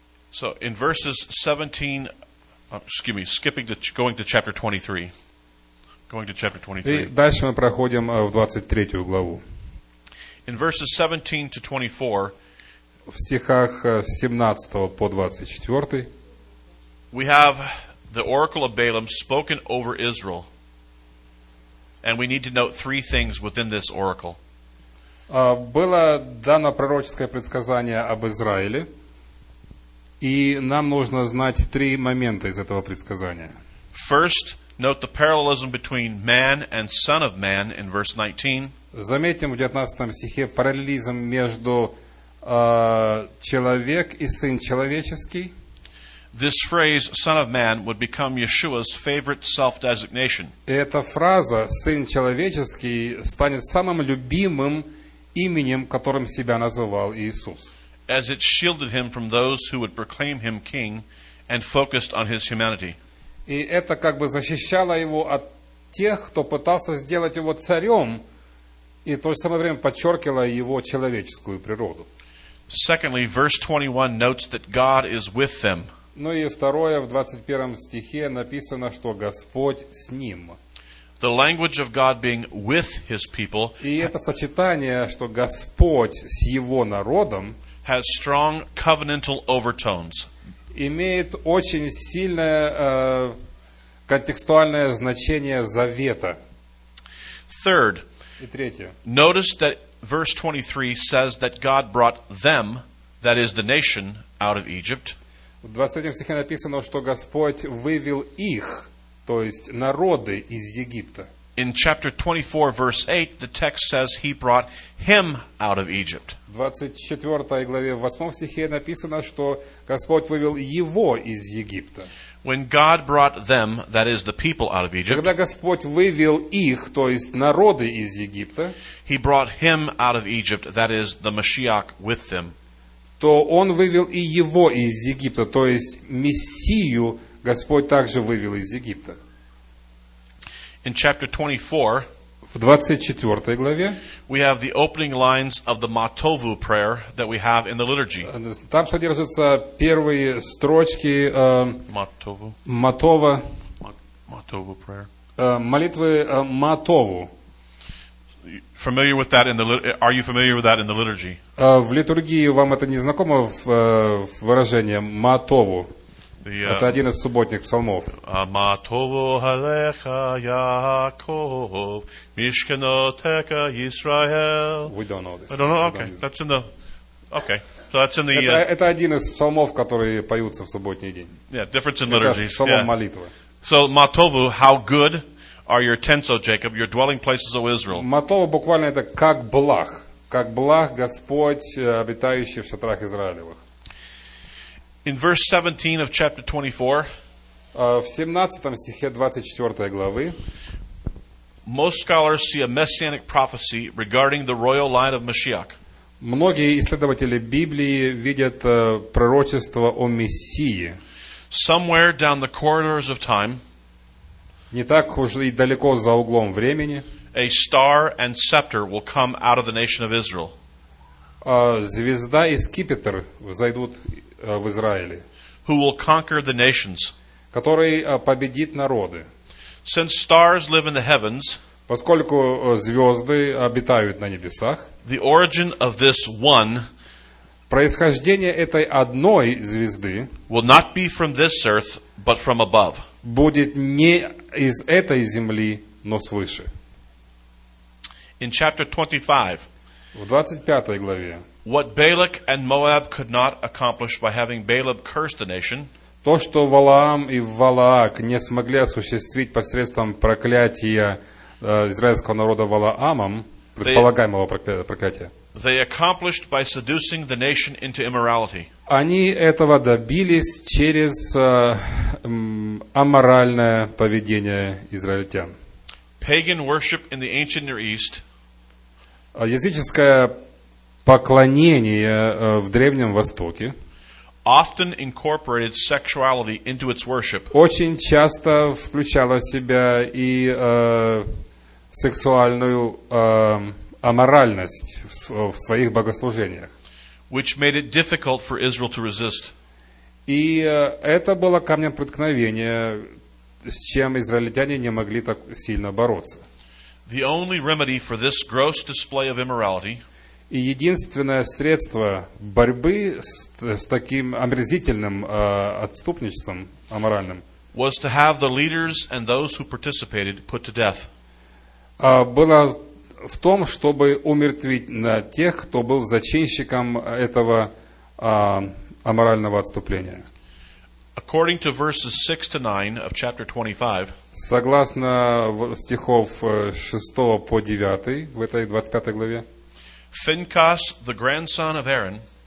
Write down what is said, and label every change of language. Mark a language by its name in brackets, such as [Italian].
[English] So in verses 17, excuse me, skipping to going to chapter 23. Going to chapter 23. [Russian] И дальше мы проходим в 23 главу. [English] In verses 17 to 24, [Russian] в стихах с 17 по 24, [English] we have the oracle of Balaam spoken over Israel. And we need to note three things within this oracle. [Russian] Было дано пророческое предсказание об Израиле. И нам нужно знать три момента из этого предсказания. [English] First, note the parallelism between man and son of man in verse 19. [Russian] Заметим в 19 стихе параллелизм между человек и сын человеческий. [English] This phrase son of man would become Yeshua's favorite self-designation. [Russian] Эта фраза сын человеческий станет самым любимым именем, которым себя называл Иисус. [English] As it shielded him from those who would proclaim him king and focused on his humanity. [Russian] И это как бы защищало его от тех, кто пытался сделать его царем. И в то же самое время подчеркивало его человеческую природу. [English] Secondly, verse 21 notes that God is with them. [Russian] Ну и второе, в 21 стихе написано, что Господь с ним. [English] The language of God being with his people. [Russian] И это сочетание, что Господь с его народом, [English] has strong covenantal overtones. [Russian] Имеет очень сильное контекстуальное значение завета. [English] Third. [Russian] И третье. [English] Notice that verse 23 says that God brought them, that is the nation, out of Egypt. [Russian] В 20 стихе написано, что Господь вывел их, то есть народы из Египта. [English] In chapter 24, verse 8, the text says he brought him out of Egypt. [Russian] В 24 главе, в 8 стихе написано, что Господь вывел его из Египта. [English] When God brought them, that is the people out of Egypt. [Russian] Когда Господь вывел их, то есть народы из Египта, [English] he brought him out of Egypt, that is the Mashiach with them. [Russian] То он вывел и его из Египта, то есть Мессию Господь также вывел из Египта. [English] In chapter 24, [Russian] в 24 главе, [English] we have the opening lines of the Matovu prayer that we have in the liturgy. [Russian] Там содержатся первые строчки [English] Matovu prayer. [Russian] Молитвы Matovu. [English] Familiar with that in the are you familiar with that in the liturgy? [Russian] В литургии вам это не знакомо выражение Matovu. Это один из субботних псалмов. [Hebrew] Матову халеха Яаков, мишкенотека Исраэл. [English] We don't know this. I don't know. Okay, that's in the. Okay, so that's in the. [Russian] Это один из псалмов, которые поются в субботний день. [English] Yeah, difference in liturgies. [Russian] Это псалом молитвы. [English] So Matovu, how good are your tents, O Jacob, your dwelling places, O Israel? [Russian] Матову буквально это как благ Господь, обитающий в шатрах Израилевых. [English] In verse 17 of chapter 24, [Russian] в 17 стихе 24 главы, [English] most scholars see a messianic prophecy regarding the royal line of Mashiach. [Russian] Многие исследователи Библии видят пророчество о Мессии. [English] Somewhere down the corridors of time, [Russian] не так уж и далеко за углом времени, [English] a star and scepter will come out of the nation of Israel. [Russian] Звезда и скипетр взойдут в Израиле, [English] who will conquer the nations, [Russian] который победит народы. [English] Since stars live in the heavens, [Russian] поскольку звезды обитают на небесах, [English] the origin of this one, [Russian] происхождение этой одной звезды, [English] will not be from this earth, but from above, [Russian] будет не из этой земли, но свыше. [English] In chapter 25, [Russian] в 25 главе, [English] what Balak and Moab could not accomplish by having Balaam curse the nation, [Russian] то, что Валаам и Валаак не смогли осуществить посредством проклятия израильского народа Валаамом, предполагаемого проклятия. [English] They accomplished by seducing the nation into immorality. [Russian] Они этого добились через аморальное поведение израильтян. [English] Pagan worship in the ancient Near East. [Russian] Языческое поклонение в Древнем Востоке. [English] Often incorporated sexuality into its worship. [Russian] Очень часто включало в себя и сексуальную аморальность в своих богослужениях. [English] Which made it difficult for Israel to resist. [Russian] И это было камнем преткновения, с чем израильтяне не могли так сильно бороться. [English] The only remedy for this gross display of immorality. [Russian] И единственное средство борьбы с таким омерзительным отступничеством аморальным [English] was to have the leaders and those who participated put to death. [Russian] Было в том, чтобы умертвить на тех, кто был зачинщиком этого аморального отступления. [English] According to verses 6 to 9 of chapter 25, [Russian] согласно стихов 6 по 9 в этой 25 главе, [English] Финкас, the grandson of Aaron,